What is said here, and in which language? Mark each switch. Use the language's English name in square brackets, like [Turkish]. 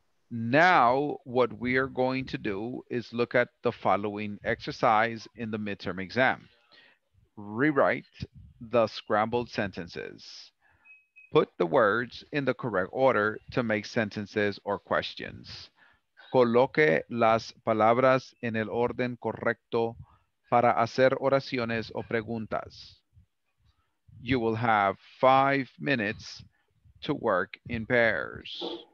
[English] Now, what we are going to do is look at the following exercise in the midterm exam. Rewrite the scrambled sentences. Put the words in the correct order to make sentences or questions. [Spanish] Coloque las palabras en el orden correcto para hacer oraciones o preguntas. [English] You will have 5 minutes to work in pairs.